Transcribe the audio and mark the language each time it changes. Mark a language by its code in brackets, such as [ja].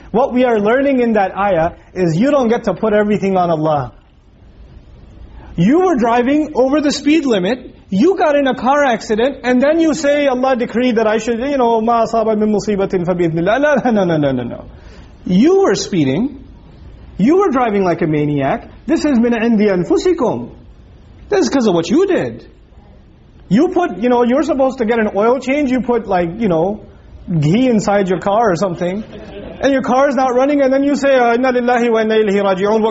[en] What we are learning in that ayah is you don't get to put everything on Allah. You were driving over the speed limit, you got in a car accident, and then you say, Allah decreed that I should, you know, [ar] مَا أَصَابَ مِن مُصِيبَةٍ فَبِإِذْنِ اللَّهِ. [en] No. You were speeding. You were driving like a maniac. This is [ar] مِنْ عِنْدِ أَنفُسِكُمْ. [en] This is because of what you did. You put, you know, you're supposed to get an oil change, you put like, you know, ghee inside your car or something. And your car is not running, and then you say, [ar] إِنَّ لِلَّهِ وَإِنَّ إِلَيْهِ رَاجِعُونَ.